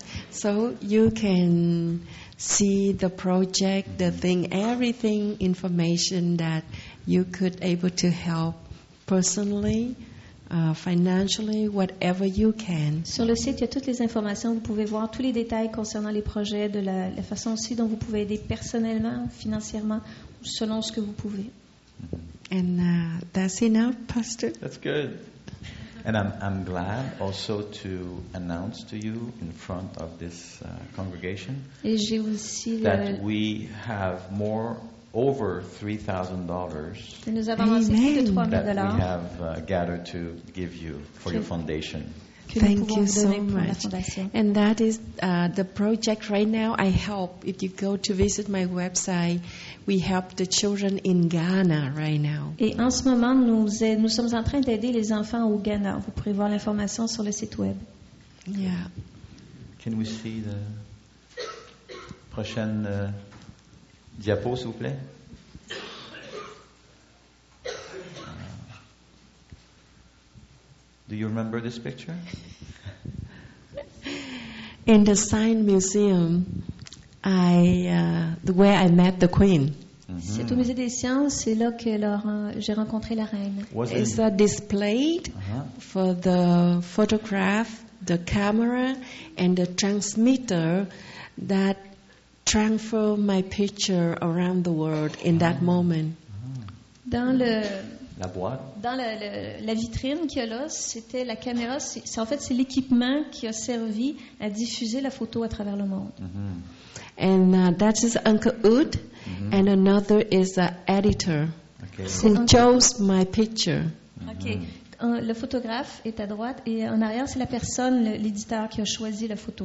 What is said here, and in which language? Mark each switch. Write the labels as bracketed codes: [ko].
[en] So you can see the project, the thing, everything, information that you could able to help personally, financially, whatever you can. [fr] Sur le site, il y a toutes les informations. Vous pouvez voir tous les détails concernant les projets, de la façon aussi dont vous pouvez aider personnellement, financièrement, selon ce que vous pouvez. [en] And that's enough, Pastor. That's good. And I'm glad also to announce to you in front of this congregation that we have more over $3,000 [fr] que nous avons plus de 3,000 dollars [en] that we have gathered to give you for your foundation. Thank you so much. And that is the project right now. I help. If you go to visit my website, we help the children in Ghana right now. [fr] Et en ce moment, nous sommes en train d'aider les enfants au Ghana. Vous pourrez voir l'information sur le site web. [en] Yeah. Can we see the [fr] prochaine diapo, s'il vous plaît? [en] Do you remember this picture? In the Science Museum, where I met the Queen. Mm-hmm. [fr] C'est au musée des sciences, c'est là que j'ai rencontré la reine. [en] Is that displayed for the photograph, the camera, and the transmitter that transfer my picture around the world in that moment? Mm-hmm. [fr] La boîte. Dans la vitrine qu'il y a là, c'était la caméra. C'est en fait c'est l'équipement qui a servi à diffuser la photo à travers le monde. Mm-hmm. [en] And that is Uncle Oud, and another is the editor who chose my picture. Mm-hmm. Okay. [fr] Le photographe est à droite et en arrière c'est la personne, l'éditeur qui a choisi la photo.